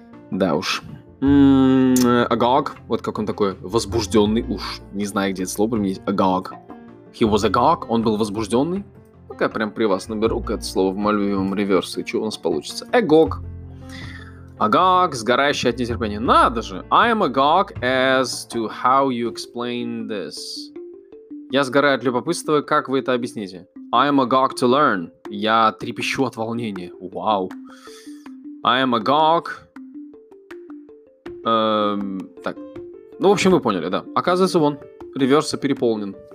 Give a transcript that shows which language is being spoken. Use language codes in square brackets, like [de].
[ru] Да уж. Agog. Вот как он такой возбужденный. Уж не знаю, где это слово применить. [en] Agog. He was agog. [ru] Он был возбужденный. Пока прям при вас наберу это слово в моем любимом реверсе. И что у нас получится? Agog. Agog. Сгорающий от нетерпения. Надо же. [en] I am agog as to how you explain this. [ru] Я сгораю от любопытства. Как вы это объясните? [en] I am agog to learn. [ru] Я трепещу от волнения. Вау. [en] I am agog. [ru] Так. Ну, в общем, вы поняли, да. Оказывается, вон, реверса переполнен.